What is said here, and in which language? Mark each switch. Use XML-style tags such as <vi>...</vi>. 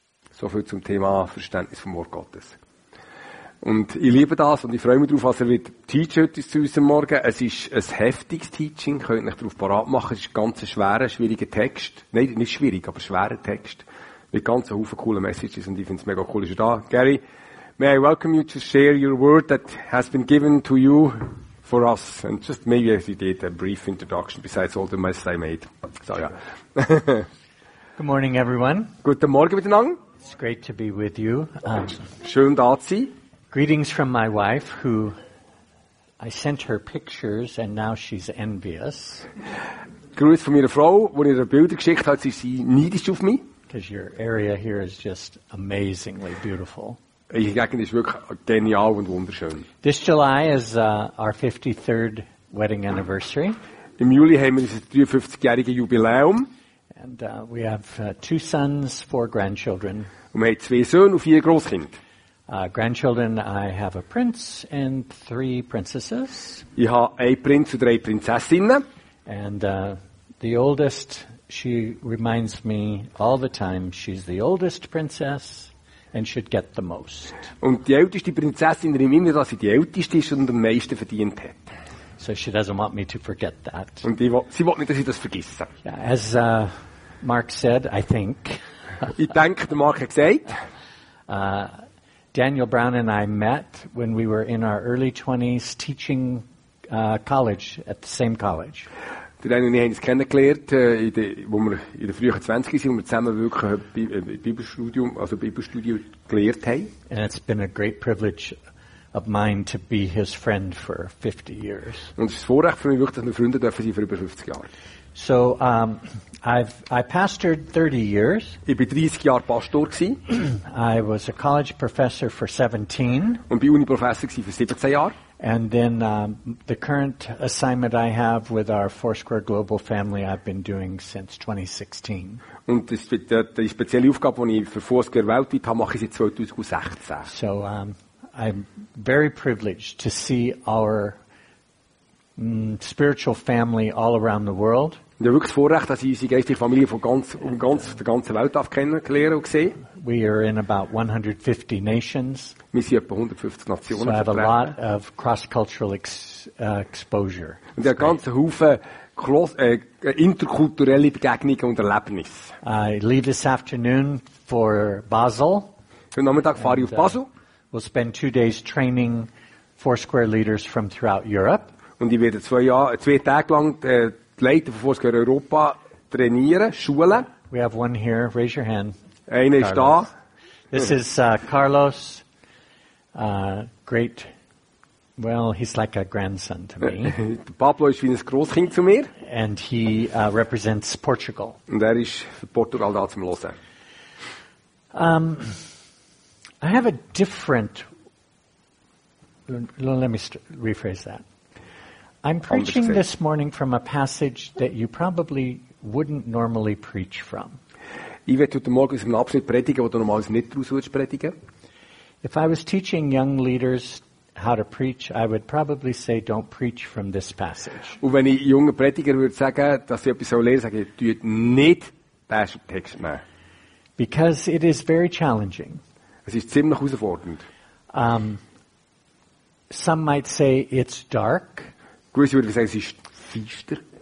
<de>Soviel zum Thema Verständnis vom Wort Gottes. Und ich liebe das und ich freue mich darauf, dass er heute zu uns Morgen teacht. Es ist ein heftiges Teaching, könnt ihr euch darauf parat machen. Es ist ein ganz schwerer, schwieriger Text. Nein, nicht schwierig, aber schwerer Text. Mit ganz Haufen coolen Messages und ich finde es mega cool, dass du da bist.</de> <en>Gary, may I welcome you to share your word that has been given to you for us, and just maybe as you did a brief introduction besides all the mess I made. So, yeah. Good morning, everyone.</en> <de>Guten Morgen miteinander.</de> <en>It's great to be with you.</en> <de>Schön, da zu sein.</de> <en>Greetings from my wife, who I sent her pictures and now she's envious.</en> <de>Grüß von meiner Frau, wo ich ihr Bilder geschickt habe, sie neidisch auf mich.</de> <en>Because your area here is just amazingly beautiful.</en> <de>Die Gegend ist wirklich genial und wunderschön.</de> <en>This July is our 53rd wedding anniversary.</en> <de>Im Juli haben wir unser 53-jähriges Jubiläum.</de> <en>And we have two sons, four grandchildren.</en> <de>Und wir haben zwei Söhne und vier Grosskinder.</de> <en>Grandchildren, I have a prince and three princesses.</en> <de>Ich habe einen Prinz und drei Prinzessinnen.</de> <en>And the oldest, she reminds me all the time, she's the oldest princess. And should get the most.</en> <de>Und die älteste Prinzessin erinnert, dass sie die älteste ist und am meisten verdient hat.</de> <en>So she doesn't want me to forget that.</en> <de>Und sie will nicht, dass ich das vergesse.</de> <en>Yeah, as Mark said, I think.</en> <de>Ich denke, der Mark hat gesagt.</de> <en>Daniel Brown and I met when we were in our early 20s teaching college at the same college.</en> <de>Die Daniel und ich haben uns kennengelernt, wo wir in den frühen 20er sind, wo wir zusammen wirklich Bibelstudium gelehrt haben.</de> <en>And it's been a great privilege of mine to be his friend for 50 years.</en> <de>Und es ist ein Vorrecht für mich wirklich, dass wir Freunde dürfen sein für über 50 Jahre.</de> <en>So, I pastored 30 years.</en> <de>Ich bin 30 Jahre Pastor gewesen.</de> <en>I was a college professor for 17.</en> <de>Und bin Uni-Professor gewesen für 17 Jahre.</de> <en>And then the current assignment I have with our Foursquare Global Family I've been doing since 2016.</en> <de>Und die spezielle Aufgabe, die ich für Foursquare weltweit habe, mache ich seit 2016.</de> <en>So I'm very privileged to see our spiritual family all around the world.</en> <de>Ja, wirklich das Vorrecht, dass ich unsere geistliche Familie von ganz, der ganzen Welt kennenlernen und sehen.</de> <en>We are in about 150 nations.</en> <de>Wir sind etwa 150 Nationen.</de> <en>So I have a lot of cross-cultural exposure.</en> <de>Und ich habe ganz einen Haufen interkulturelle Begegnungen und Erlebnisse.</de> <en>I leave this afternoon for Basel.</en> <de>Heute Nachmittag fahre ich auf Basel.</de> <en>We'll spend 2 days training Foursquare leaders from throughout Europe.</en> <de>Und ich werde zwei Tage lang die Leiter von Foursquare Europa trainieren, schulen.</de> <en>We have one here. Raise your hand.</en> <de>Einer ist da.</de> <en>This is Carlos. Great. Well, he's like a grandson to me.</en> <de>Pablo ist wie ein Grosskind zu mir.</de> <en>And he represents Portugal.</en> <de>Und ist für Portugal da zum Hören.</de> <en>I have a different... Let me rephrase that. I'm preaching this morning from a passage that you probably wouldn't normally preach from.</en> <de>Ich werde heute Morgen aus einem Abschnitt predigen, wo du normalerweise nicht draus würdest predigen.</de> <en>If I was teaching young leaders how to preach, I would probably say, don't preach from this passage.</en> <de>Und wenn ich jungen Prediger würde sagen, dass sie etwas lehren, sage ich, tut nicht diesen Text mehr.</de> <en>Because it is very challenging.</en> <de>Es ist ziemlich herausfordernd.</de> <en>Some might say it's dark.</en> <de>Gewisse würden sagen, es ist finster.</de>